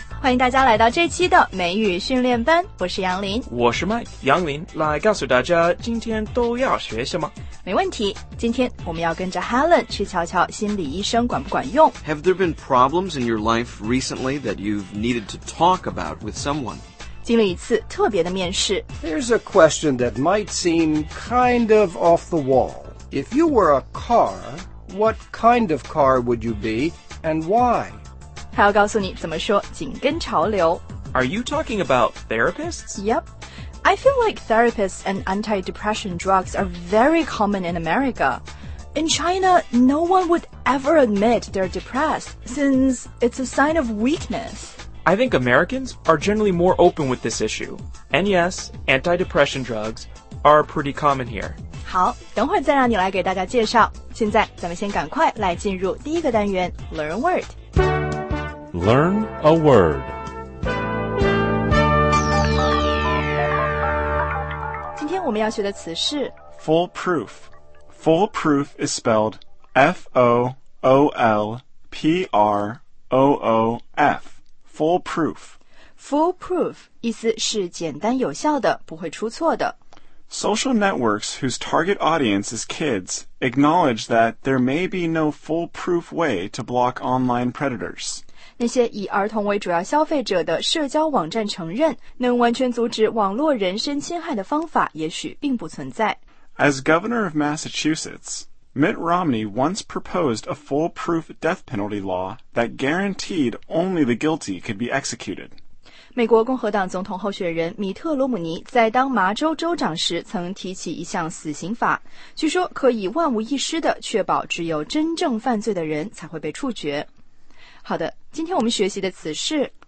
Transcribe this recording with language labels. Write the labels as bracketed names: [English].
[Chinese] 迎大家来到这期的美语训练班，我是杨林，我是 Mike 杨林，来告诉大家今天都要学什么。没问题，今天我们要跟着 Helen 去瞧瞧心理医生管不管用。 [English] Have there been problems in your life recently that you've needed to talk about with someone? [Chinese] 经历一次特别的面试。 [English] There's a question that might seem kind of off the wall. If you were a car, what kind of car would you be and why? [Chinese] 还要告诉你怎么说紧跟潮流。 [English] Are you talking about therapists? Yep. I feel like therapists and anti-depression drugs are very common in America. In China, no one would ever admit they're depressed, since it's a sign of weakness. I think Americans are generally more open with this issue. And yes, anti-depression drugs are pretty common here. [Chinese] 好，等会再让你来给大家介绍。现在咱们先赶快来进入第一个单元 Learn Word。 [English] Learn a word. [Chinese] 今天我们要学的词是 [English] foolproof. Foolproof is spelled F-O-O-L-P-R-O-O-F. Foolproof. [Chinese] Foolproof 意思是简单有效的，不会出错的。 [English] Social networks whose target audience is kids acknowledge that there may be no foolproof way to block online predators. [Chinese] 那些以儿童为主要消费者的社交网站承认能完全阻止网络人身侵害的方法也许并不存在。 [English] As governor of Massachusetts, Mitt Romney once proposed a foolproof death penalty law that guaranteed only the guilty could be executed. [Chinese] 美国共和党总统候选人米特·罗姆尼在当麻州州长时曾提起一项死刑法，据说可以万无一失地确保只有真正犯罪的人才会被处决。好的，今天我们学习的词是